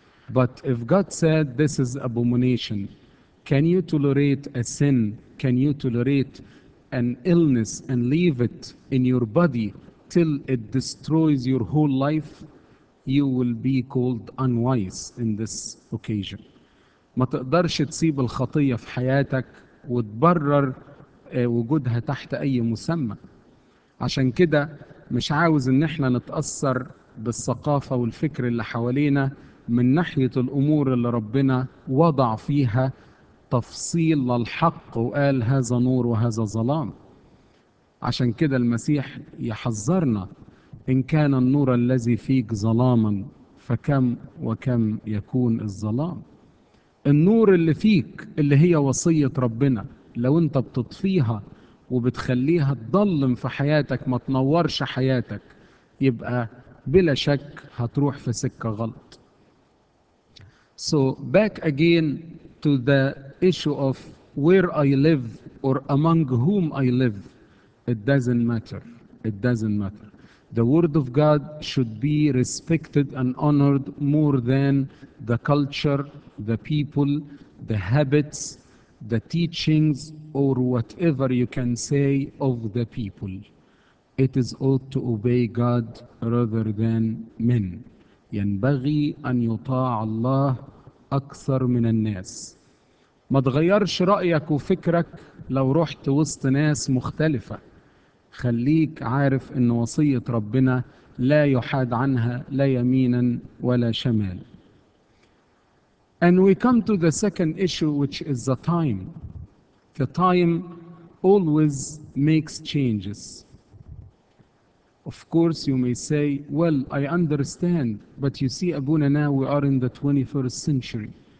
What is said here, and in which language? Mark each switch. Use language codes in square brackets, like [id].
[en] But if God said this is abomination, can you tolerate a sin? Can you tolerate an illness and leave it in your body till it destroys your whole life? You will be called unwise in this occasion. [ar] ما تقدرش تسيب الخطية في حياتك وتبرر وجودها تحت أي مسمى. عشان كده مش عاوز إن احنا نتأثر بالثقافة والفكر اللي حوالينا من ناحية الأمور اللي ربنا وضع فيها تفصيل للحق وقال هذا نور وهذا ظلام. عشان كده المسيح يحذرنا: إن كان النور الذي فيك ظلاما فكم وكم يكون الظلام. النور اللي فيك اللي هي وصية ربنا، لو انت بتطفيها وبتخليها تضلم في حياتك ما تنورش حياتك، يبقى بلا شك هتروح في سكة غلط. [en] So back again to the issue of where I live or among whom I live. It doesn't matter. It doesn't matter. The word of God should be respected and honored more than the culture, the people, the habits, the teachings, or whatever you can say of the people. It is ought to obey God rather than men. [ar] ينبغي أن يطاع الله أكثر من الناس. ما تغيرش رأيك وفكرك لو رحت وسط ناس مختلفة. خليك عارف أن وصية ربنا لا يحاد عنها لا يمينا ولا شمال. [en] And we come to the second issue, which is the time. The time always makes changes. Of course, you may say, well, I understand, but you see, Abuna, now we are in the 21st century.